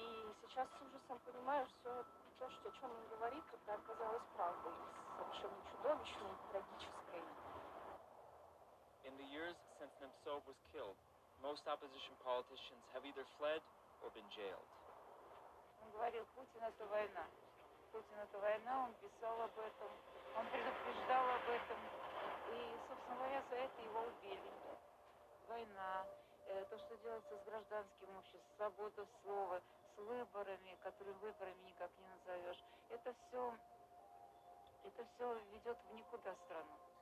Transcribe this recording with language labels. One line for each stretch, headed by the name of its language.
Russian: И сейчас с ужасом понимаешь все то, что, о чем он говорит, это оказалось правдой, совершенно чудовищной, трагической.
English: In the years since Nemtsov was killed, most opposition politicians have either fled or been jailed.
Russian: Он говорил, Путин это война, он писал об этом, он предупреждал об этом, и, собственно говоря, за это его убили. Война, то, что делается с гражданским обществом, свобода слова, с выборами, которые выборами никак не назовешь, это все ведет в никуда страну.